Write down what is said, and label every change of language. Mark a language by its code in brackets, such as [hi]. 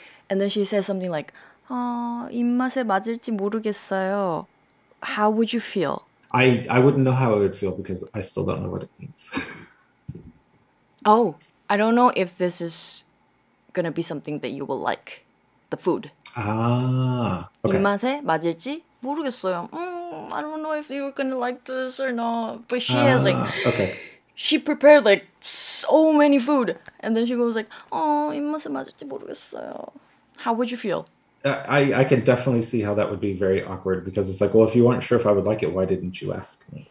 [en] And then she says something like, [ko] 입맛에 맞을지 모르겠어요. [en] How would you feel? I wouldn't know how I would feel because I still don't know what it means. Oh, I don't know if this is gonna be something that you will like. The food. Ah, okay. [ko] 입맛에 맞을지 모르겠어요. [en] I don't know if you're gonna like this or not. But she has like, okay. She prepared like so many food, and then she goes like, "Oh, [ko] 입맛에 맞을지 모르겠어요." [en] How would you feel? I can definitely see how that would be very awkward because it's like, well, if you weren't sure if I would like it, why didn't you ask me?